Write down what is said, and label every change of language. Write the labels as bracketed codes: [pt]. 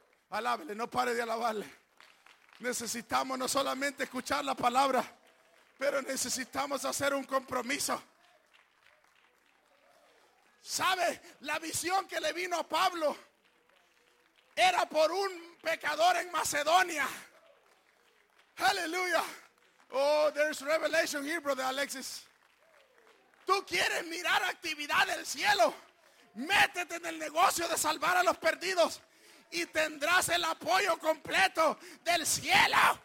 [es] Alábele, no pare de alabarle. Necesitamos no solamente escuchar la palabra, pero necesitamos hacer un compromiso. ¿Sabe? La visión que le vino a Pablo era por un pecador en Macedonia. Aleluya. [en] Oh, there's revelation here, brother Alexis. [es] Tú quieres mirar actividad del cielo, métete en el negocio de salvar a los perdidos y tendrás el apoyo completo del cielo.